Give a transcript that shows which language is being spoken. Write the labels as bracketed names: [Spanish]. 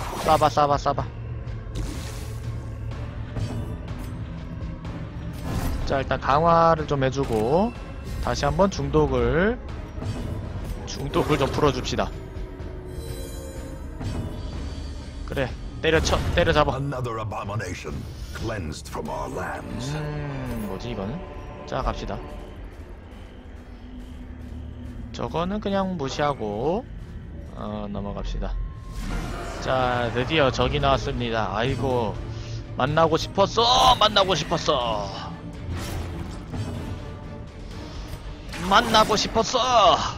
[Korean] 쏴봐 쏴봐 쏴봐. 자 일단 강화를 좀 해주고 다시 한번 중독을 좀 풀어줍시다. 그래 때려쳐 때려잡아. [English] Another abomination cleansed from our lands. [Korean] 뭐지 이거는? 자 갑시다. 저거는 그냥 무시하고 넘어갑시다. 자 드디어 적이 나왔습니다. 아이고 만나고 싶었어 만나고 싶었어 만나고 싶었어.